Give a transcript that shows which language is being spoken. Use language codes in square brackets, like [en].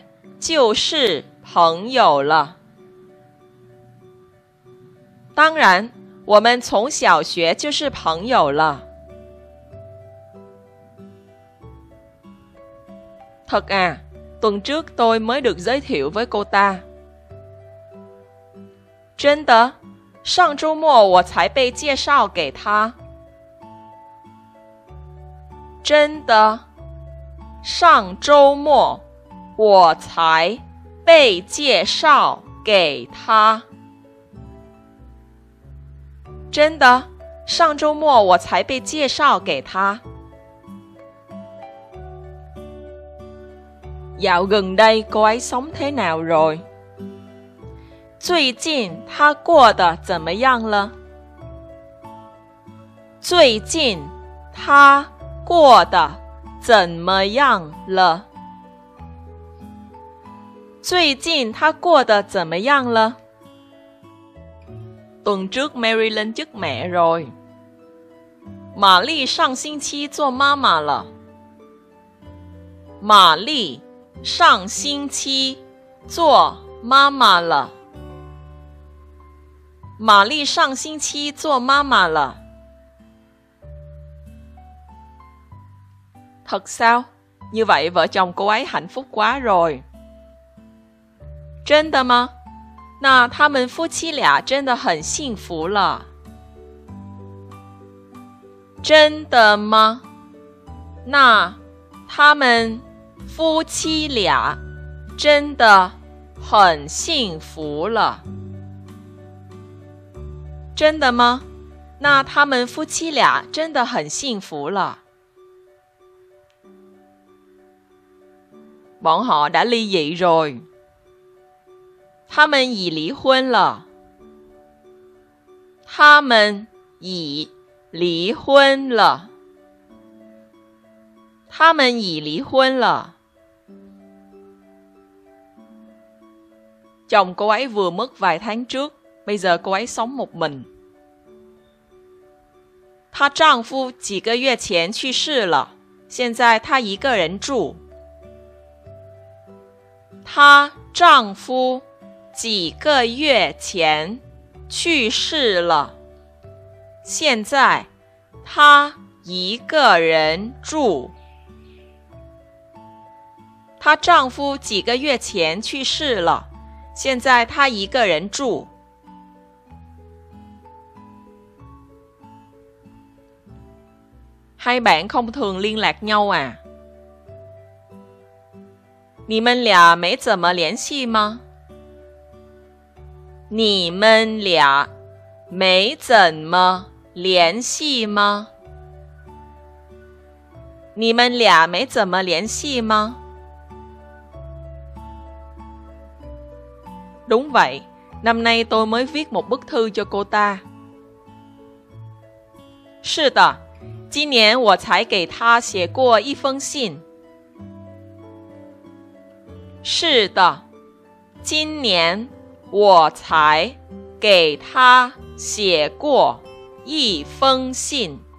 [zh] 当然,我们从小学就是朋友了。当然,我们从小学就是朋友了。当然,我们从小学就是朋友了. [vi] Thật à, tuần trước tôi mới được giới thiệu với cô ta. [zh] 真的,上周末我才被介绍给她. 真的？上周末，我才被介绍给他。真的？上周末我才被介绍给他。 [vi] Dạo gần đây cô ấy sống thế nào rồi? [zh] 最近他过得怎么样了？最近他过得怎么样了？最近他过得怎么样了？ [vi] Tuần trước Mary lên chức mẹ rồi. [zh] 玛丽上星期做妈妈了。玛丽上星期做妈妈了。玛丽上星期做妈妈了。 [vi] Thật sao? Như vậy vợ chồng cô ấy hạnh phúc quá rồi. [zh] 真的吗？那他们夫妻俩真的很幸福了。真的吗？那他们夫妻俩真的很幸福了。真的吗？那他们夫妻俩真的很幸福了。 [vi] Bọn họ đã ly dị rồi. [zh] 他们已离婚了。他们已离婚了。他们已离婚了。 [vi] Chồng cô ấy vừa mất vài tháng trước, bây giờ cô ấy sống một mình. [zh] 她丈夫几个月前去世了，现在她一个人住。她丈夫几个月前去世了，现在她一个人住。她丈夫几个月前去世了。现在他一个人住。 [vi] Hai bạn không thường liên lạc nhau à? [zh] 你们俩没怎么联系吗？你们俩没怎么联系吗？你们俩没怎么联系吗？ [vi] Đúng vậy, năm nay tôi mới viết một bức thư cho cô ta. [zh] 是的，今年我才给她写过一封信。是的，今年我才给她写过一封信。